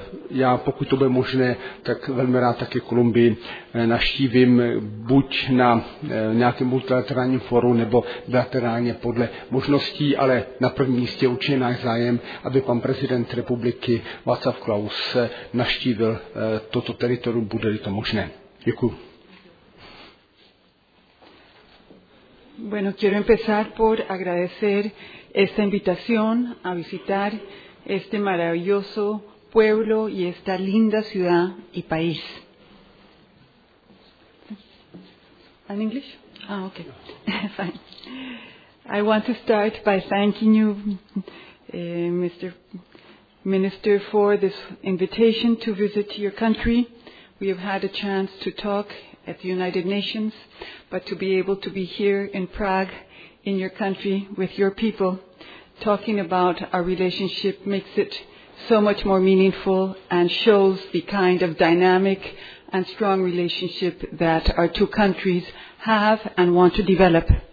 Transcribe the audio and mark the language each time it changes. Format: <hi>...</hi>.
<cs>já, pokud to bude možné, tak velmi rád taky Kolumbii navštívím buď na nějakém multilaterálním fóru nebo bilaterálně podle možností, ale na prvním místě určitě náš zájem, aby pan prezident republiky Václav Klaus navštívil toto teritorium, bude-li to možné. Děkuji.</cs> <es>Bueno, quiero empezar por agradecer esta invitación a visitar este maravilloso pueblo y esta linda ciudad y país.</es> <en>In English? Ah, okay. Fine. I want to start by thanking you, Mr. Minister, for this invitation to visit your country. We have had a chance to talk at the United Nations, but to be able to be here in Prague, in your country, with your people, talking about our relationship makes it so much more meaningful and shows the kind of dynamic and strong relationship that our two countries have and want to develop.</en>